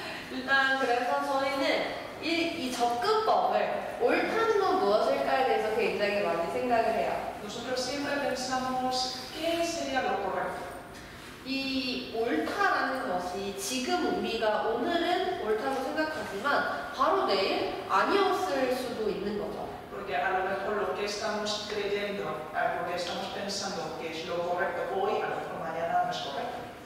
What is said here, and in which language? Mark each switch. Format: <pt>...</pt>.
<ko>일단 그래서 저희는 이 접근법을 옳다는 건 무엇일까에 대해서 굉장히 많이 생각을 해요.</ko> <es>Nosotros siempre pensamos qué sería lo correcto.</es> <ko>이 옳다라는 것이 지금 우리가 오늘은 옳다고 생각하지만 바로 내일 아니었을 수도 있는 거죠.</ko> <es>Porque a lo mejor lo que estamos creyendo, lo que estamos pensando que es lo correcto hoy, a lo mejor mañana no es correcto.</es>